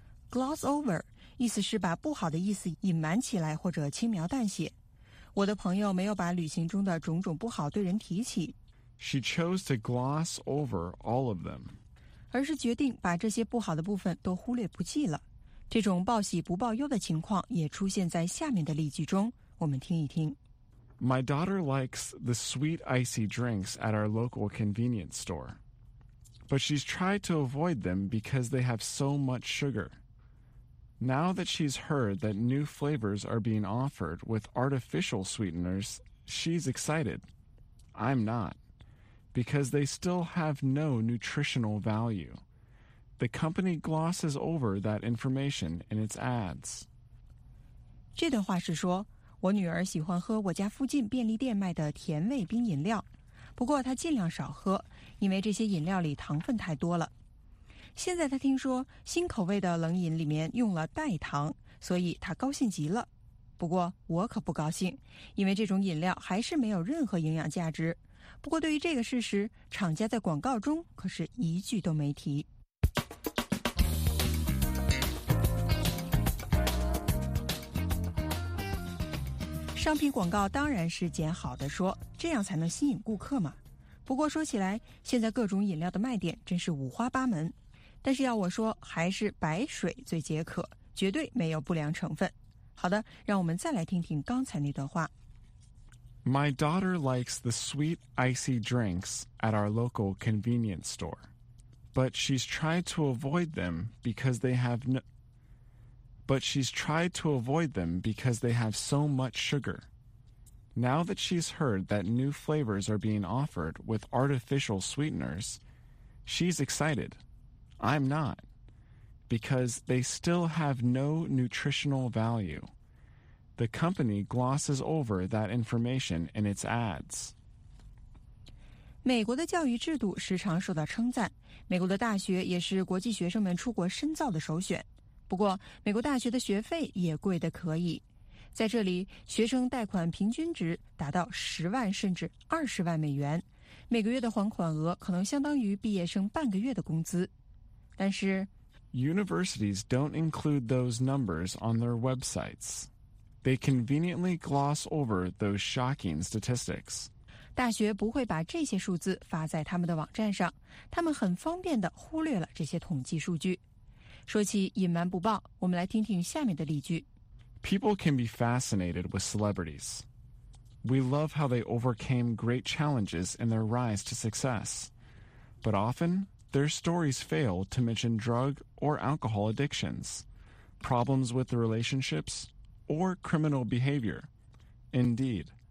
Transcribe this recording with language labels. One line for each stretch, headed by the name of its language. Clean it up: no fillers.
Chinese: Gloss over, 意思是把不好的意思隐瞒起来或者轻描淡写。我的朋友没有把旅行中的种种不好对人提起。
English: She chose to gloss over all of them.
Chinese: 而是决定把这些不好的部分都忽略不计了。这种报喜不报忧的情况也出现在下面的例句中，我们听一听。
English: My daughter likes the sweet icy drinks at our local convenience store. But she's tried to avoid them because they have so much sugar. Now that she's heard that new flavors are being offered with artificial sweeteners, she's excited. I'm not. Because they still have no nutritional value. The company glosses over that information in its ads.
Chinese: 这段话是说，我女儿喜欢喝我家附近便利店卖的甜味冰饮料，不过她尽量少喝，因为这些饮料里糖分太多了。现在她听说新口味的冷饮里面用了代糖，所以她高兴极了。不过我可不高兴，因为这种饮料还是没有任何营养价值。不过对于这个事实，厂家在广告中可是一句都没提。商品广告当然是捡好的说，这样才能吸引顾客嘛。不过说起来，现在各种饮料的卖点真是五花八门，但是要我说，还是白水最解渴，绝对没有不良成分。好的，让我们再来听听刚才那段话。
English: My daughter likes the sweet icy drinks at our local convenience store, but she's tried to avoid them because they have no, but she's tried to avoid them because they have so much sugar. Now that she's heard that new flavors are being offered with artificial sweeteners, she's excited. I'm not, because they still have no nutritional value. The company glosses over that information in its ads.
Chinese: 美国的教育制度时常受到称赞，美国的大学也是国际学生们出国深造的首选。不过，美国大学的学费也贵得可以。在这里，学生贷款平均值达到10万甚至20万美元，每个月的还款额可能相当于毕业生半个月的工资。但是
English: ，Universities don't include those numbers on their websites. They conveniently gloss over those shocking statistics.
Chinese: 大学不会把这些数字发在他们的网站上，他们很方便地忽略了这些统计数据。说起隐瞒不报，我们来听听下面的例句。
English: People can be fascinated with celebrities. We love how they overcame great challenges in their rise to success. But often, their stories fail to mention drug or alcohol addictions, problems with the relationships,or criminal behavior. Indeed,